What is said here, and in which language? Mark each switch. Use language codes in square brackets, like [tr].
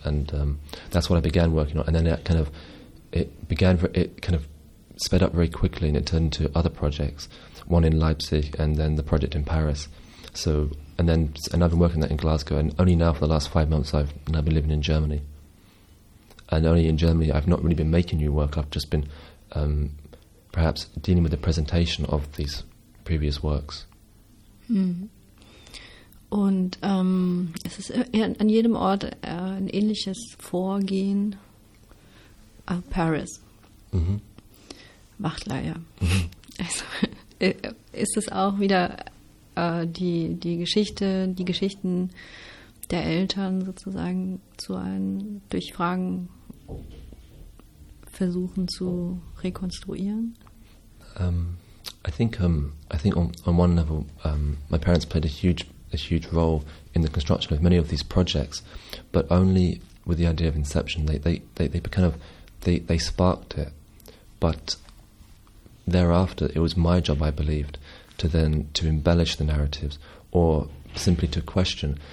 [en] And that's what I began working on. And then it kind of sped up very quickly, and it turned into other projects, one in Leipzig and then the project in Paris. And I've been working on that in Glasgow. And only now for the last 5 months, I've now been living in Germany. And only in Germany, I've not really been making new work. I've just been perhaps dealing with the presentation of these previous works. Mm. [de] Und es ist an jedem Ort ein ähnliches Vorgehen. Paris. Mhm. Wachtleier. Mhm. Also ist es auch wieder die Geschichten der Eltern sozusagen durch Fragen versuchen zu rekonstruieren? [en] I think on one level, my parents played a huge role in the construction of many of these projects, but only with the idea of inception. They sparked it, but thereafter it was my job, I believed, to embellish the narratives or simply to question.